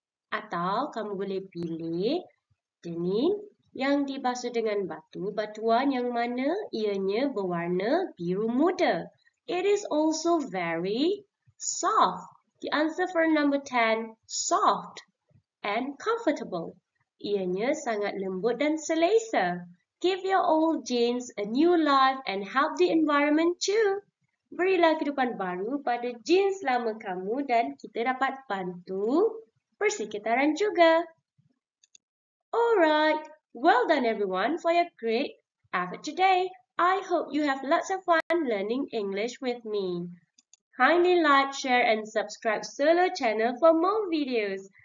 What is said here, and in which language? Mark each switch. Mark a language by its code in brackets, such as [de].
[ms] Atau kamu boleh pilih denim yang dibasuh dengan batu-batuan yang mana ianya berwarna biru muda. [en] It is also very soft. The answer for number 10, soft and comfortable. [ms] Ianya sangat lembut dan selesa. [en] Give your old jeans a new life and help the environment too. [ms] Berilah kehidupan baru pada jeans lama kamu dan kita dapat bantu persekitaran juga. [en] Alright, well done everyone for your great effort today. I hope you have lots of fun learning English with me. Kindly like, share and subscribe Solo channel for more videos.